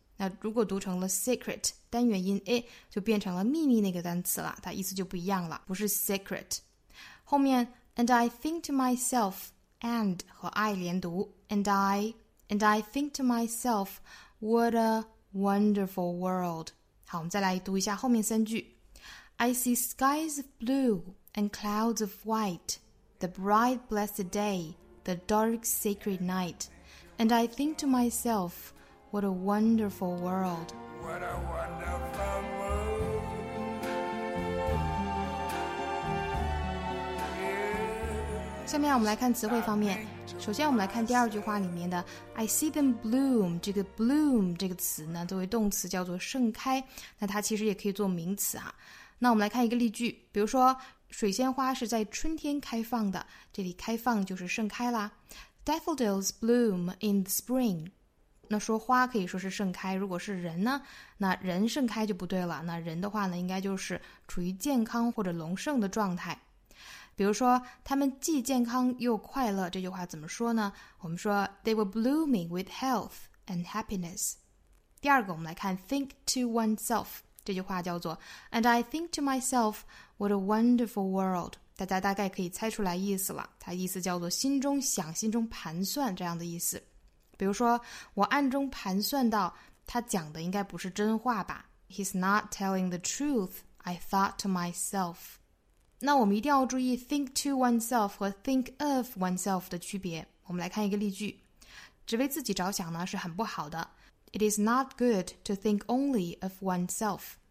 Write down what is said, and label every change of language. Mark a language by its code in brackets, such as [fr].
[zh] 那如果读成了 secret， 单元音 a 就变成了秘密那个单词了，它意思就不一样了，不是 secret。后面 [en] and I think to myself and [zh] 和 [en] I [zh] 连读 [en] and I think to myself what a Wonderful world. [zh] 好，我们再来读一下后面三句。 [en] I see skies of blue and clouds of white, the bright blessed day, the dark sacred night, and I think to myself, what a wonderful world. What a wonderful world.、 Yeah. [zh] 下面我们来看词汇方面。首先我们来看第二句话里面的 [en] I see them bloom， [zh] 这个 bloom 这个词呢作为动词叫做盛开，那它其实也可以做名词啊。那我们来看一个例句，比如说水仙花是在春天开放的，这里开放就是盛开啦。 [en] Daffodils bloom in the spring， [zh] 那说花可以说是盛开，如果是人呢，那人盛开就不对了，那人的话呢应该就是处于健康或者隆盛的状态。比如说他们既健康又快乐，这句话怎么说呢？我们说 [en] They were blooming with health and happiness。 [zh] 第二个我们来看 Think to oneself， 这句话叫做 [en] And I think to myself What a wonderful world。 [zh] 大家大概可以猜出来意思了，它意思叫做心中想心中盘算这样的意思。比如说我暗中盘算到他讲的应该不是真话吧， [en] He's not telling the truth I thought to myself。 [zh] 那我们一定要注意 think to oneself 和 think of oneself 的区别。我们来看一个例句，只为自己着想呢是很不好的。 [en] It is not good to think only of oneself。